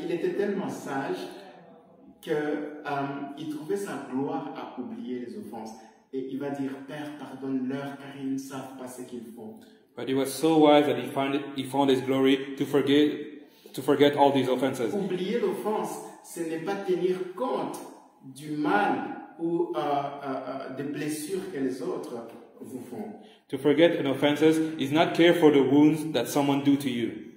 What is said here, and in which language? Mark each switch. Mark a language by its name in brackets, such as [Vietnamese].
[French] Il était tellement sage que il trouvait sa gloire à oublier les offenses et il va dire Père, pardonne-leur car ils ne savent pas ce qu'ils font. [English] But he was so wise that he found his glory to forget all these offenses. [French] Oublier l'offense, ce n'est pas tenir compte du mal ou des blessures que les autres vous font. [English] To forget an offense is not care for the wounds that someone do to you.